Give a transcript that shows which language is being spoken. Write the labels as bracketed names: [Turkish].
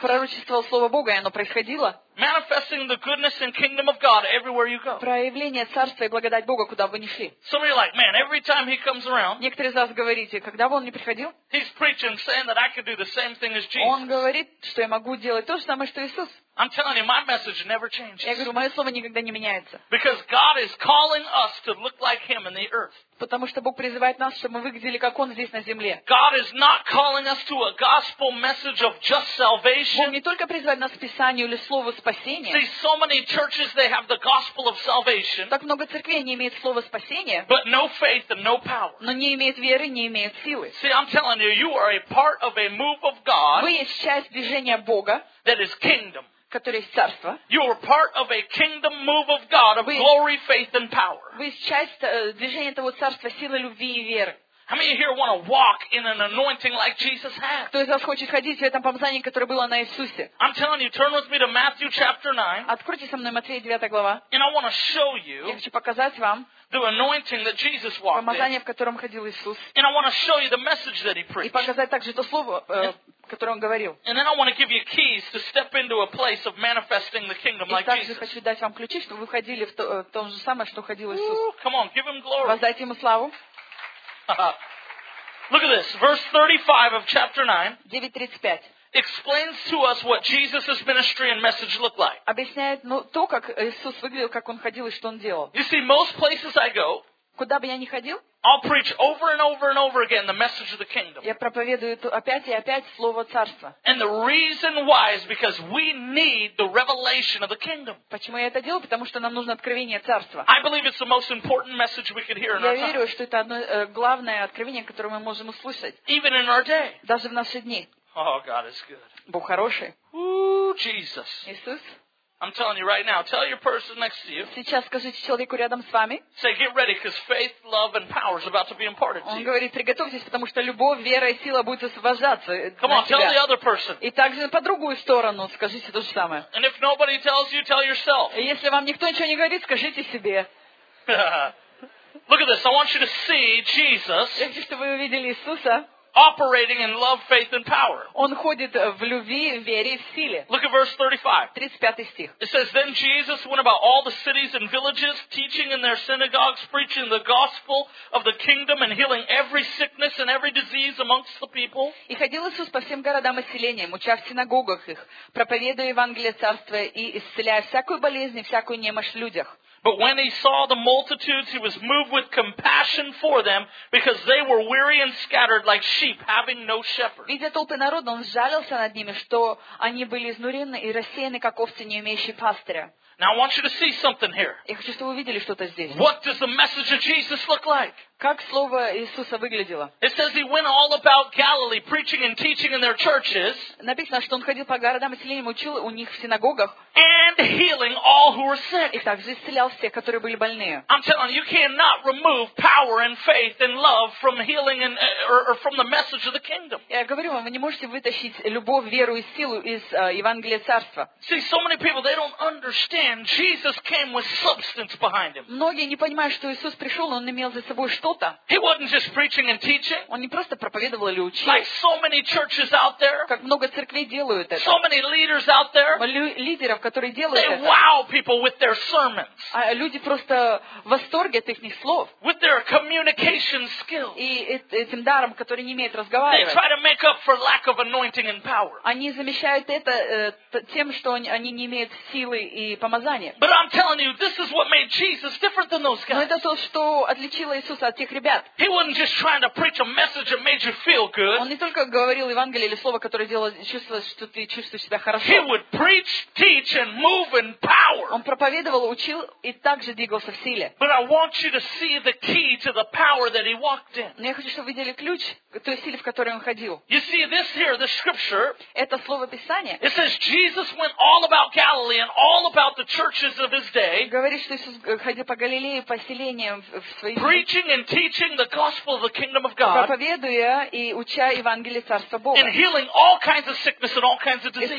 [Russian] Пророчествовал слово Бога, и оно происходило. [English] Manifesting the goodness and kingdom of God everywhere you go. [Russian] Проявление царства и благодать Бога, куда бы ни шли. [English] Some of you are like, man, every time he comes around. [Russian] Некоторые из вас говорите, когда бы он ни приходил. [English] He's preaching, saying that I could do the same thing as Jesus. [Russian] Он говорит, что я могу делать то же самое, что Иисус. [English] I'm telling you, my message never changes. [Russian] Я говорю, мое слово никогда не меняется. [English] Because God is calling us to look like Him in the earth. [Russian] Потому что Бог призывает нас, чтобы мы выглядели как Он здесь на земле. [English] God is not calling us to a gospel message of just salvation. [Russian] Бог не только призывает нас к Писанию или слову спасения. [English] See, so many churches they have the gospel of salvation. [Russian] Так много церквей не имеют слова спасения. [English] But no faith and no power. [Russian] Но не имеют веры, не имеют силы. [English] See, I'm telling you, you are a part of a move of God. [Russian] Вы есть часть движения Бога. [English] That is kingdom. [Russian] Которое есть царство. [English] You are part of a kingdom move of God, of glory, faith, and power. [Russian] Вы часть движения этого царства силы, любви и веры. [English] How many here want to walk in an anointing like Jesus had? [Russian] Кто из вас хочет ходить в этом помазании, которое было на Иисусе? [English] I'm telling you, turn with me to Matthew chapter 9. [Russian] Откройте со мной Матфея 9 глава. [English] And I want to show you. [Russian] Я хочу показать вам. [English] The anointing that Jesus walked in. [Russian] Помазание, в котором ходил Иисус. [English] And I want to show you the message that he preached. [Russian] И показать также то слово. [English] And then I want to give you keys to step into a place of manifesting the kingdom like Jesus. [Russian] И также хочу дать вам ключи, чтобы вы ходили в то же самое, что ходил Иисус. [English] Come on, give him glory. [Russian] Воздайте ему славу. [English] Look at this, verse 35 of chapter 9. [Russian] 9:35. [English] Explains to us what Jesus' ministry and message looked like. [Russian] Объясняет то, как Иисус выглядел, как он ходил и что он делал. [English] You see, most places I go. [Russian] Куда бы я ни ходил. [English] I'll preach over and over and over again the message of the kingdom. [Russian] Я проповедую опять и опять слово царства. [English] And the reason why is because we need the revelation of the kingdom. [Russian] Почему я это делаю? Потому что нам нужно откровение царства. [English] I believe it's the most important message we could hear in our time. [Russian] Я верю, что это одно главное откровение, которое мы можем услышать. [English] Even in our day. [Russian] Даже в наши дни. [English] Oh, God is good. [Russian] Бог хороший. [English] Ooh, Jesus. [Russian] Иисус. [English] I'm telling you right now. Tell your person next to you. [Russian] Сейчас скажите человеку рядом с вами. [English] Say, get ready, because faith, love, and power is about to be imparted to you. [Russian] Он говорит, приготовьтесь, потому что любовь, вера и сила будут освобождаться. [English] Come on, tell the other person. [Russian] И также по другую сторону скажите то же самое. [English] And if nobody tells you, tell yourself. [Russian] И если вам никто ничего не говорит, скажите себе. [English] Look at this. I want you to see Jesus. [Russian] Я хочу, чтобы вы увидели Иисуса. [English] Operating in love, faith, and power. [Russian] Он ходит в любви, вере и силе. [English] Look at verse 35. [Russian] 35 стих. [English] It says, then Jesus went about all the cities and villages, teaching in their synagogues, preaching the gospel of the kingdom and healing every sickness and every disease amongst the people. [Russian] И ходил Иисус по всем городам и селениям, уча в синагогах их, проповедуя Евангелие Царства и исцеляя всякую болезнь и всякую немощь в людях. [English] But when he saw the multitudes, he was moved with compassion for them, because they were weary and scattered like sheep, having no shepherd. [Russian] Видя толпы народа, он сжалился над ними, что они были изнурены и рассеяны, как овцы, не имеющие пастыря. [English] Now I want you to see something here. [Russian] Я хочу, чтобы вы видели что-то здесь. [English] What does the message of Jesus look like? [Russian] Как слово Иисуса выглядело? [English] It says he went all about Galilee, preaching and teaching in their churches. [Russian] Написано, что он ходил по городам и селениям, учил у них в синагогах. [English] And healing all who were sick. [Russian] И также исцелял всех, которые были больные. [English] I'm telling you, you cannot remove power and faith and love from healing and or from the message of the kingdom. [Russian] Я говорю вам, вы не можете вытащить любовь, веру и силу из Евангелия Царства. [English] See, so many people, they don't understand. Jesus came with substance behind him. [Russian] Многие не понимают, что Иисус пришел, но он имел за собой что-то. [English] He wasn't just preaching and teaching. [Russian] Он не просто проповедовал или учил. [English] Like so many churches out there. [Russian] Как много церквей делают это. [English] So many leaders out there. [Russian] Лидеров, которые делают [English] they [Russian] это. [English] They wow people with their sermons. [Russian] А люди просто в восторге от их слов. [English] With their communication skills. [Russian] И этим даром, который не умеет разговаривать. [English] They try to make up for lack of anointing and power. [Russian] Они замещают это тем, что они не имеют силы и помазание. [English] But I'm telling you, this is what made Jesus different than those guys. [Russian] Но это то, что отличило Иисуса от тех ребят. [English] He wasn't just trying to preach a message that made you feel good. [Russian] Он не только говорил Евангелие или слово, которое делало чувствовать, что ты чувствуешь себя хорошо. [English] He would preach, teach, and move in power. [Russian] Он проповедовал, учил и также двигался в силе. [English] But I want you to see the key to the power that he walked in. [Russian] Но я хочу, чтобы вы видели ключ к той силе, в которой он ходил. [English] You see this here, the scripture. [Russian] Это слово Писания. [English] It says Jesus went all about Galilee and all about the churches of his day. [Russian] Говорит, что Иисус ходил по Галилее, по селениям в своих. [English] Preaching and teaching the gospel of the kingdom of God. [Russian] Проповедуя и уча Евангелие Царства Бога. [English] And healing all kinds of sickness and all kinds of disease.